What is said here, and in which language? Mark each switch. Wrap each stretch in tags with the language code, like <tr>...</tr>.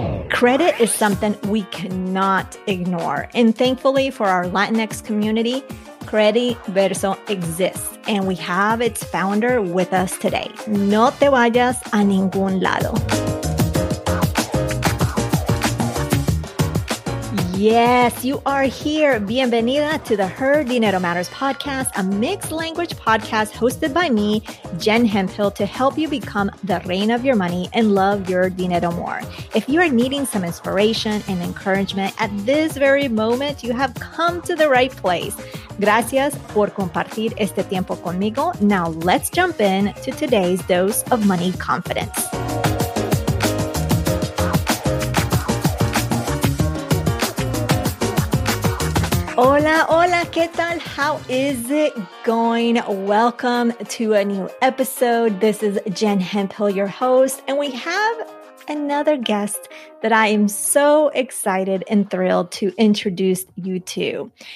<en>Credit is something we cannot ignore. And thankfully for our Latinx community, Credit Verso exists. And we have its founder with us today.</en> <es>No te vayas a ningún lado.</es> <en>Yes, you are here. Bienvenida to the Her Dinero Matters podcast, a mixed language podcast hosted by me, Jen Hemphill, to help you become the reina of your money and love your dinero more. If you are needing some inspiration and encouragement at this very moment, you have come to the right place.</en> <es>Gracias por compartir este tiempo conmigo.</es> <en>Now let's jump in to today's dose of money confidence.</en> <es>Hola, hola, ¿qué tal?</es> <en>How is it going? Welcome to a new episode. This is Jen Hemphill, your host, and we have another guest that I am so excited and thrilled to introduce you to.</en>